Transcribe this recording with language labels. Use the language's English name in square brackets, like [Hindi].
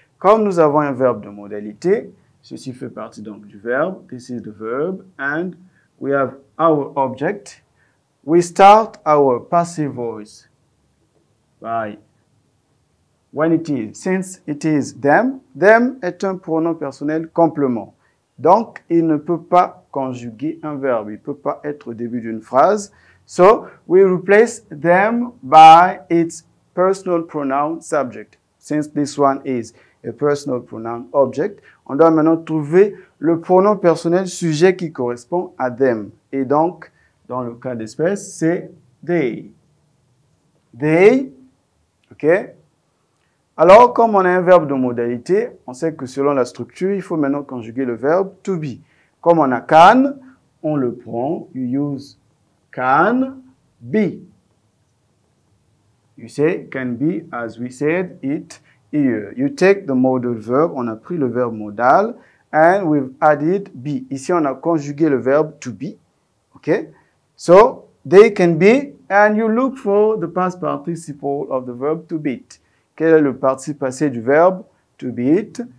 [French] Comme nous avons un verbe de modalité, ceci fait partie donc du verbe. [English] This is the verb. And we have our object. We start our passive voice by when it is, since it is them. [French] Them est un pronom personnel complément. Donc, il ne peut pas conjuguer un verbe. Il ne peut pas être au début d'une phrase. [English] So, we replace them by its personal pronoun subject. Since this one is a personal pronoun object, [French] on doit maintenant trouver le pronom personnel sujet qui correspond à them. Et donc, dans le cas d'espèce, c'est they. [English] They, ok? [French] Alors, comme on a un verbe de modalité, on sait que selon la structure, il faut maintenant conjuguer le verbe to be. Comme on a can, on le prend. [English] You use can be. You say can be as we said it here. You take the modal verb. [French] On a pris le verbe modal [English] and we've added be. [French] Ici, on a conjugué le verbe to be. [English] Okay? So, They can be, and you look for the past participle of the verb to beat. [French] Quel est le participe passé du verbe to beat?